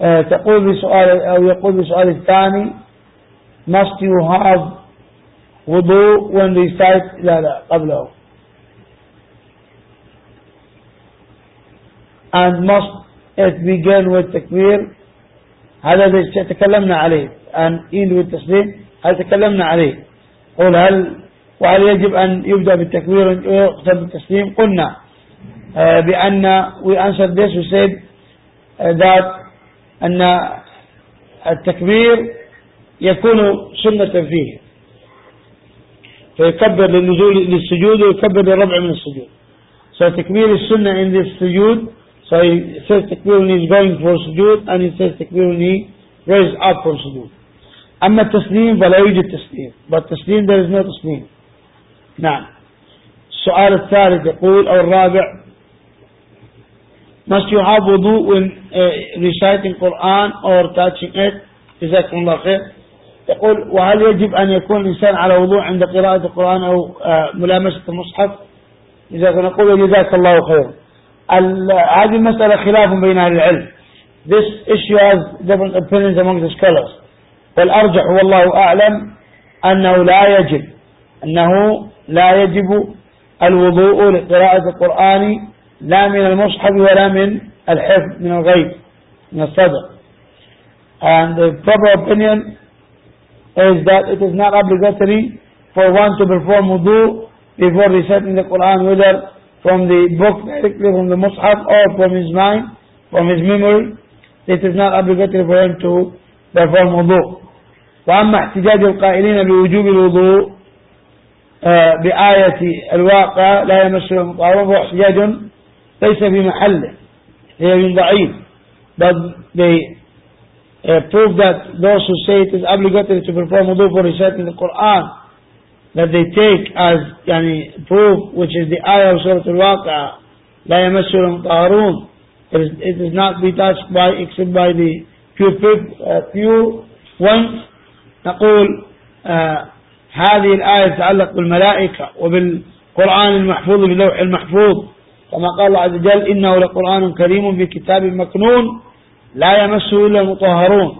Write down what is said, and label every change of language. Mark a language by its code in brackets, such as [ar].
[ar] تقول بسؤال أو يقول بسؤال الثاني, [en] must you have wudu when recite? [ar] لا لا قبله. [en] And must it begin with takbir? [ar] هذا الشيء تكلمنا عليه. [en] And end with [ar] تسليم, هل تكلمنا عليه؟ قل هل وهل يجب أن يبدأ بالتكبير ويختم بالتسليم؟ قلنا بأن [en] we answered this, we said that [ar] أن التكبير يكون سنة فيه, فيكبر للنزول للسجود ويكبر للربع من السجود. [en] So [ar] تكبير السنة [en] in this سجود. So he says تكبير when he is going for سجود, and he says تكبير when he raises up for سجود. [ar] أما التسليم فلا يوجد تسليم, [en] but تسليم there is no تسليم. [ar] نعم. السؤال الثالث يقول أو الرابع, [en] must you have wudu when reciting Quran or touching it? [ar] جزاكم الله خير. يقول وهل يجب أن يكون الإنسان على وضوء عند قراءة القرآن أو ملامسة المصحف؟ جزاكم نقول جزاك الله خير. هذه المسألة خلاف بين أهل العلم. [en] This issue has different opinions among the scholars. [ar] والأرجح والله أعلم أنه لا يجب, أنه لا يجب الوضوء لقراءة القرآن لا من المصحف ولا من الحفظ من الغيب من الصدر. [en] And the proper opinion is that it is not obligatory for one to perform wudu before reciting the Quran, whether from the book directly from the mushaf or from his mind, from his memory. It is not obligatory for him to perform wudu. [ar] وأما احتجاج القائلين بوجوب الوضوء بآية الواقع لا يمس المطهرون فهو احتجاج ليس بمحله, هي من ضعيف. [en] But they prove that those who say it is obligatory to perform wudu for reciting the Quran, that they take as يعني proof, which is the ayah of Surah Al-Waqi'ah, [ar] لا يمس المطهرون, [en] it is not be touched by except by the few ones. [ar] نقول هذه الآية تتعلق بالملائكة وبالقرآن المحفوظ باللوح المحفوظ, كما قال الله عز وجل إنه لقرآن كريم في كتاب مكنون لا يمسه إلا المطهرون.